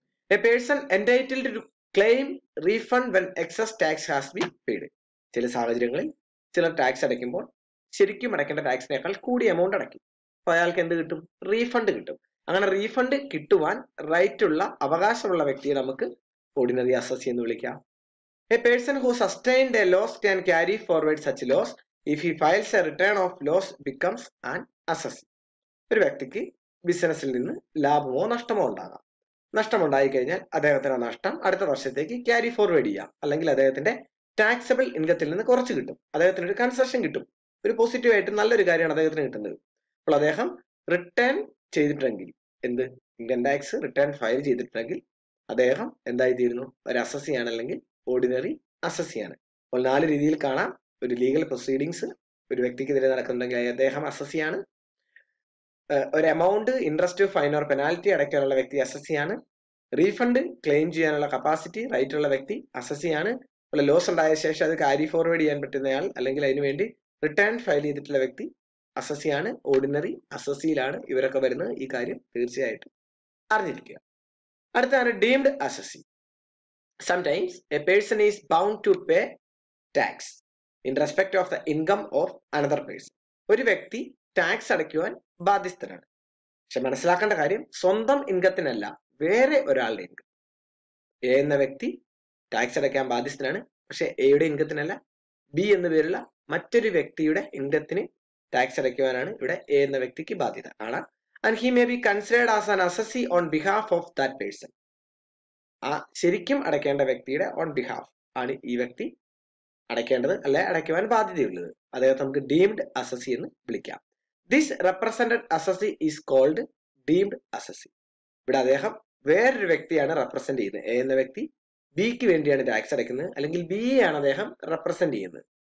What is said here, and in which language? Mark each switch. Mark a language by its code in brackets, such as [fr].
[en] A person entitled to claim refund when excess tax has be paid. [ml] ചില സാഹചര്യങ്ങളിൽ ചിലർ tax അടയ്ക്കുമ്പോൾ ശരിക്കും അടയ്ക്കേണ്ട ടാക്സിനേക്കാൾ കൂടിയ എമൗണ്ട് അടയ്ക്കും. അപ്പോൾ അയാൾക്ക് എന്ത് കിട്ടും? റീഫണ്ട് കിട്ടും. അങ്ങനെ റീഫണ്ട് കിട്ടുവാൻ റൈറ്റ് ഉള്ള അവകാശമുള്ള വ്യക്തിയെ നമുക്ക് ഓർഡിനറി അസസി എന്ന് വിളിക്കാം. [en] A person who sustained a loss can carry forward such loss if he files a return of loss becomes an assessee. [ml] ഒരു വ്യക്തിക്ക് ബിസിനസ്സിൽ നിന്ന് ലാഭമോ നഷ്ടമോ ഉണ്ടാകാം. നഷ്ടമുണ്ടായി കഴിഞ്ഞാൽ അദ്ദേഹത്തിന് ആ നഷ്ടം അടുത്ത വർഷത്തേക്ക് ക്യാരി ഫോർവേഡ് ചെയ്യാം, അല്ലെങ്കിൽ അദ്ദേഹത്തിന്റെ ടാക്സബിൾ ഇൻകത്തിൽ നിന്ന് കുറച്ച് കിട്ടും, അദ്ദേഹത്തിന് ഒരു കൺസെഷൻ കിട്ടും. ഒരു പോസിറ്റീവ് ആയിട്ട് നല്ലൊരു കാര്യമാണ് അദ്ദേഹത്തിന് കിട്ടുന്നത്. അപ്പോൾ അദ്ദേഹം റിട്ടേൺ ചെയ്തിട്ടുണ്ടെങ്കിൽ, എന്ത് ഇൻകം ടാക്സ് റിട്ടേൺ ഫയൽ ചെയ്തിട്ടുണ്ടെങ്കിൽ അദ്ദേഹം എന്തായി തീരുന്നു? ഒരു അസസി ആണ് അല്ലെങ്കിൽ ഓർഡിനറി അസസി ആണ്. അപ്പോൾ നാല് രീതിയിൽ കാണാം. ഒരു ലീഗൽ പ്രൊസീഡിങ്സ് ഒരു വ്യക്തിക്കെതിരെ നടക്കുന്നുണ്ടെങ്കിൽ അദ്ദേഹം അസസി ആണ്. ഒരു amount interest fine or penalty അടയ്ക്കാനുള്ള വ്യക്തി അസസി ആണ്. റീഫണ്ട് ക്ലെയിം ചെയ്യാനുള്ള കപ്പാസിറ്റി റൈറ്റ് ഉള്ള വ്യക്തി അസസി ആണ്. അതുപോലെ ലോസ് ഉണ്ടായ ശേഷം അത് കാരി ഫോർവേഡ് ചെയ്യാൻ പറ്റുന്നയാൾ അല്ലെങ്കിൽ അതിനുവേണ്ടി റിട്ടേൺ ഫയൽ ചെയ്തിട്ടുള്ള വ്യക്തി അസസി ആണ്. ഓർഡിനറി അസസിയിലാണ് ഇവരൊക്കെ വരുന്നത്. ഈ കാര്യം തീർച്ചയായിട്ടും അറിഞ്ഞിരിക്കുക. അടുത്താണ് deemed assessee. [en] Sometimes a person is bound to pay tax in respect of the income of another person. [ml] ഒരു വ്യക്തി ടാക്സ് അടയ്ക്കുവാൻ ബാധ്യസ്ഥനാണ്. പക്ഷെ മനസ്സിലാക്കേണ്ട കാര്യം, സ്വന്തം ഇൻകത്തിനല്ല വേറെ ഒരാളുടെ ഇൻകം. എ എന്ന വ്യക്തി ടാക്സ് അടയ്ക്കാൻ ബാധ്യസ്ഥനാണ്, പക്ഷെ എയുടെ ഇൻകത്തിനല്ല, ബി എന്ന പേരുള്ള മറ്റൊരു വ്യക്തിയുടെ ഇൻകത്തിന് ടാക്സ് അടയ്ക്കുവാനാണ് ഇവിടെ എ എന്ന വ്യക്തിക്ക് ബാധ്യത. ആണ് [en] and he may be considered as an assessee on behalf of that person. [ml] ആ ശരിക്കും അടയ്ക്കേണ്ട വ്യക്തിയുടെ ഓൺ ബിഹാഫ് ആണ് ഈ വ്യക്തി അടയ്ക്കേണ്ടത് അല്ലെ അടയ്ക്കുവാൻ ബാധ്യതയുള്ളത്. അദ്ദേഹത്തെ നമുക്ക് ഡീംഡ് അസസി എന്ന് വിളിക്കാം. [en] This represented assessee is called deemed assessee. [ml] ഇവിടെ അദ്ദേഹം വേറൊരു വ്യക്തിയാണ് റെപ്രസെന്റ് ചെയ്യുന്നത്. എ എന്ന വ്യക്തി ബിക്ക് വേണ്ടിയാണ് ടാക്സ് അടയ്ക്കുന്നത്, അല്ലെങ്കിൽ ബിയെയാണ് അദ്ദേഹം റെപ്രസെന്റ് ചെയ്യുന്നത്.